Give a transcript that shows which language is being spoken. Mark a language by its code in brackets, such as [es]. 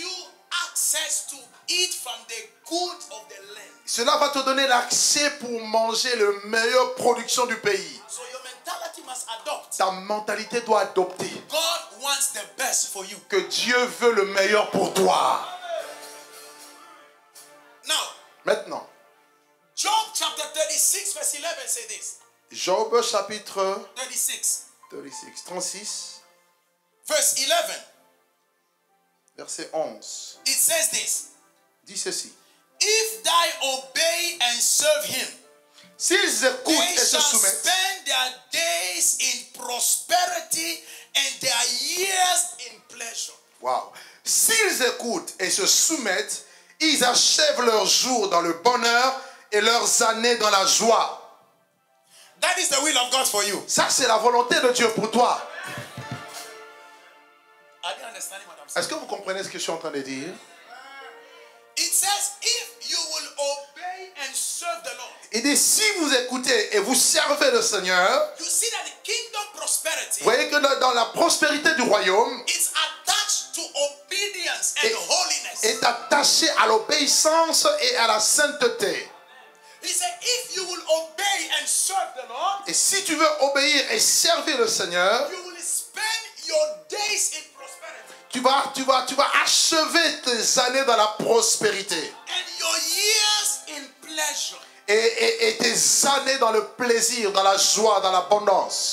[en] you access to eat from the good of the land. [fr] Cela va te donner l'accès pour manger le meilleur production du pays. [en] So your mentality must adopt. [fr] Ta mentalité doit adopter. [en] God wants the best for you. [fr] Que Dieu veut le meilleur pour toi. [en] Now, [fr] maintenant. [en] Job chapter 36 verse 11 says this. [fr] Job chapitre [en] 36. Verse 11. [fr] Verset 11. [en] It says this. [fr] Dit ceci. [en] If they obey and serve him, [fr] s'ils écoutent [en] they [fr] et [en] shall [fr] se soumettent, [en] spend their days in prosperity and their years in pleasure. Wow. [fr] S'ils écoutent et se soumettent, ils achèvent leurs jours dans le bonheur et leurs années dans la joie. [en] That is the will of God for you. [fr] Ça, c'est la volonté de Dieu pour toi. [en] Are you understanding what I'm saying? [fr] Est-ce que vous comprenez ce que je suis en train de dire? [en] It says, if you will obey and serve the Lord. [fr] Il dit, si vous écoutez et vous servez le Seigneur, [en] you see that the kingdom prosperity, [fr] vous voyez que dans la prospérité du royaume, [en] it's attached to obedience and holiness. [fr] Est attaché à l'obéissance et à la sainteté. [en] He said, if you will obey and serve the Lord, [fr] et si tu veux obéir et servir le Seigneur, [en] you will spend your days in prosperity. [fr] Tu vas achever tes années dans la prospérité. [en] And your years in pleasure. [fr] Et tes années dans le plaisir, dans la joie, dans l'abondance.